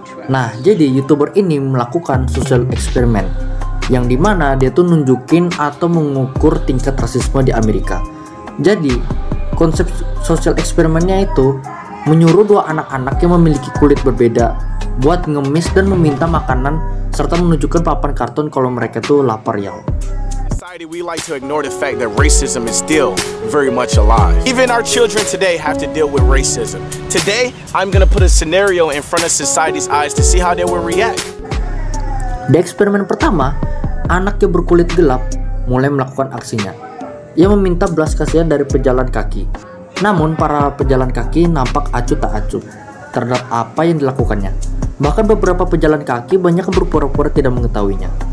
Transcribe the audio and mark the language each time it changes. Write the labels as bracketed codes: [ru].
[id] Nah, jadi YouTuber ini melakukan sosial eksperimen yang dimana dia tuh nunjukin atau mengukur tingkat rasisme di Amerika. Jadi, konsep sosial eksperimennya itu menyuruh dua anak-anak yang memiliki kulit berbeda buat ngemis dan meminta makanan serta menunjukkan papan karton kalau mereka tuh lapar ya. [en] We like to ignore the fact that racism is still very much alive. Even our children today have to deal with racism. Today, I'm gonna put a scenario in front of society's eyes to see how they will react. [id] Di eksperimen pertama, anak yang berkulit gelap mulai melakukan aksinya. Ia meminta belas kasihan dari pejalan kaki. Namun, para pejalan kaki nampak acuh tak acuh terhadap apa yang dilakukannya. Bahkan beberapa pejalan kaki banyak berpura-pura tidak mengetahuinya.